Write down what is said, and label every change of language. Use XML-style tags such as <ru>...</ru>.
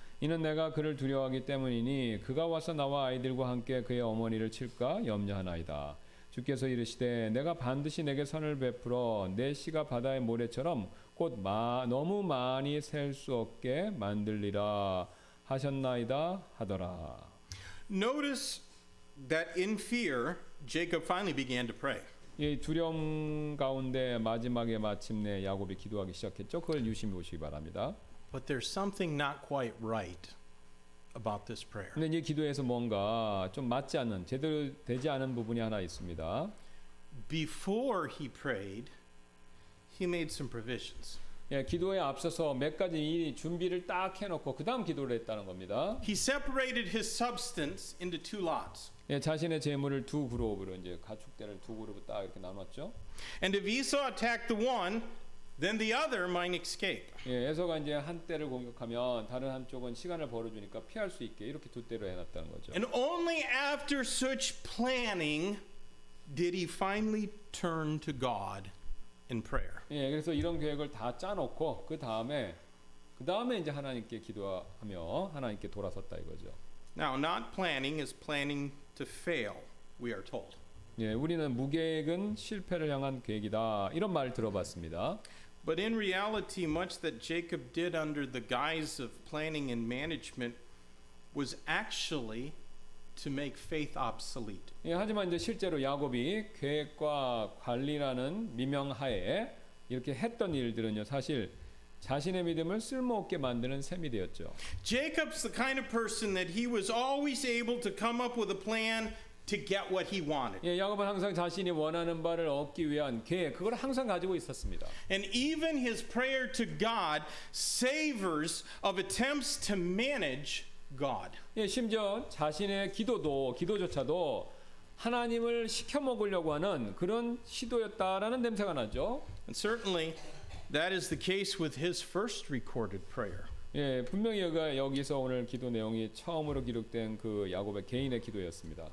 <ko>이는 내가 그를 두려워하기 때문이니 그가 와서 나와 아이들과 함께 그의 어머니를 칠까 염려하나이다. 주께서 이르시되 내가 반드시 내게 선을 베풀어 내 씨가 바다의 모래처럼 곧 너무 많이 셀 수 없게 만들리라 하셨나이다 하더라.</ko> <en>Notice that in fear Jacob finally began to pray.</en> <ko>이 두려움 가운데 마지막에 마침내 야곱이 기도하기 시작했죠. 그걸 유심히 보시기 바랍니다.</ko> <en>But there's something not quite right about this prayer.</en> <ko>근데 이 기도에서 뭔가 좀 맞지 않는, 제대로 되지 않은 부분이 하나 있습니다.</ko> <en>Before he prayed, he made some provisions.</en> <ko>예, 기도에 앞서서 몇 가지 준비를 딱 해놓고 그 다음 기도를 했다는 겁니다.</ko> <en>He separated his substance into two lots.</en> <ko>예, 자신의 재물을 두 그룹으로 이제 가축대를 두 그룹으로 딱 이렇게 나눴죠.</ko> <en>And if Esau attacked the one, then the other might escape.</en> <ko>예, 에서가 이제 한 떼를 공격하면 다른 한쪽은 시간을 벌어주니까 피할 수 있게 이렇게 두 떼로 해놨다는 거죠.</ko> <en>And only after such planning did he finally turn to God in prayer.</en> <ko>예, 그래서 이런 계획을 다 짜놓고 그 다음에 이제 하나님께 기도하며 하나님께 돌아섰다 이거죠.</ko> <en>Now, not planning is planning to fail, we are told.</en> <ko>예, 우리는 무계획은 실패를 향한 계획이다 이런 말을 들어봤습니다.</ko> <en>But in reality, much that Jacob did under the guise of planning and management was actually to make faith obsolete.</en> <ko>예, 하지만 이제 실제로 야곱이 계획과 관리라는 미명하에 이렇게 했던 일들은요, 사실 자신의 믿음을 쓸모없게 만드는 셈이 되었죠.</ko> <en>Jacob's the kind of person that he was always able to come up with a plan to get what he wanted.</en> <ko>예, 야곱은 항상 자신이 원하는 바를 얻기 위한 계획, 그걸 항상 가지고 있었습니다.</ko> <en>And even his prayer to God savors of attempts to manage God.</en> <ko>예, 심지어 자신의 기도조차도 하나님을 시켜 먹으려고 하는 그런 시도였다라는 냄새가 나죠.</ko> <en>And certainly that is the case with his first recorded prayer.</en> <ko>예, 분명히 여기서 오늘 기도 내용이 처음으로 기록된 그 야곱의 개인의 기도였습니다.</ko>